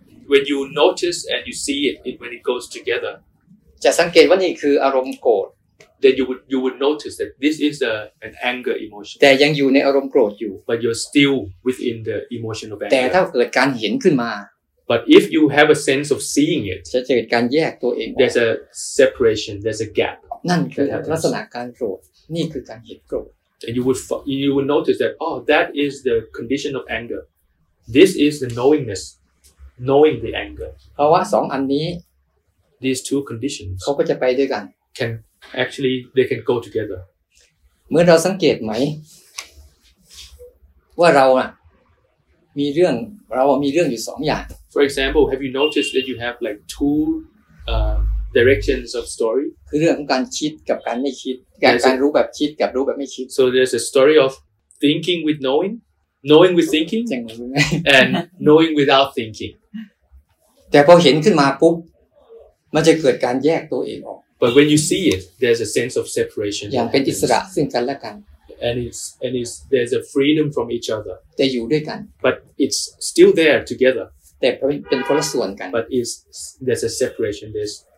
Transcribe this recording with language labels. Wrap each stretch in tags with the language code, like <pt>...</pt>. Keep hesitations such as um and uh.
<en>when you notice and you see it, it when it goes together</en> <th>จะสังเกตว่านี่คืออารมณ์โกรธ</th> <en>t h a t you would you would notice that this is a an anger emotion</en> <th>แต่ยังอยู่ในอารมณ์โกรธอยู่</th> <en>but you're still within the emotion of anger</en> <th>แต่ถ้าเกิดการเห็นขึ้นมา</th> <en>but if you have a sense of seeing it</en> <th>จะเกิดการแยกตัวเอง</th> <en>there's a separation there's a gap</en> <th>นั่นคือลักษณะ การโกรธนี่คือการเห็นโกรธ</th> <en>and you would you would notice that oh that is the condition of anger this is the knowingness knowing the anger these two conditions can actually they can go together</en> <th>เมื่อเราสังเกตไหมว่าเราอะมีเรื่อง เรามีเรื่องอยู่สองอย่าง</th> <en>For example have you noticed that you have like two uh, directions of story</en> <th>คือเรื่องของการคิดกับการไม่คิด การรรู้แบบคิดกับรู้แบบไม่คิด</th> <en>so there's a story of thinking with knowing knowing with thinking and knowing without thinking</en> <th>แต่พอเห็นขึ้นมาปุ๊บ มันจะเกิดการแยกตัวเอง ออก</th> <en>but when you see it there's a sense of separation</en> <th>อย่างเป็นอิสระซึ่งกันและกัน</th> <en>and it's and it's there's a freedom from each other</en> <th>แต่อยู่ด้วยกัน</th> <en>but it's still there together</en> <th>แต่เป็นคนละส่วนกัน</th> <en>but is there's a separation there's</en>